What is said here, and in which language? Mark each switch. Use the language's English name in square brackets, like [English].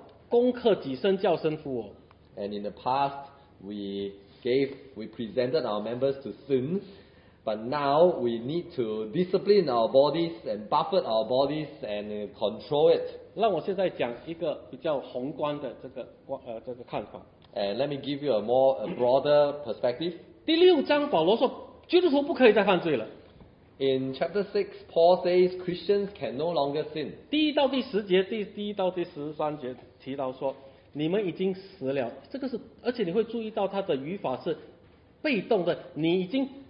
[Chinese] 以前呢，我们做是什么呢？我们越做的时候呢，我们越软弱，越常常犯罪。但是现在呢，我们越要攻克己身，叫身服我。 [English] And in the past, we presented our members to sin. But now we need to discipline our bodies and buffet our bodies and control it. [Chinese] 让我现在讲一个比较宏观的这个看法。 [English] And let me give you a broader perspective. [Chinese] 第六章保罗说，基督徒不可以再犯罪了。 [English] In chapter 6, Paul says Christians can no longer sin. [Chinese] 第一到第十节，第一到第十三节提到说，你们已经死了。这个是，而且你会注意到他的语法是被动的，你已经。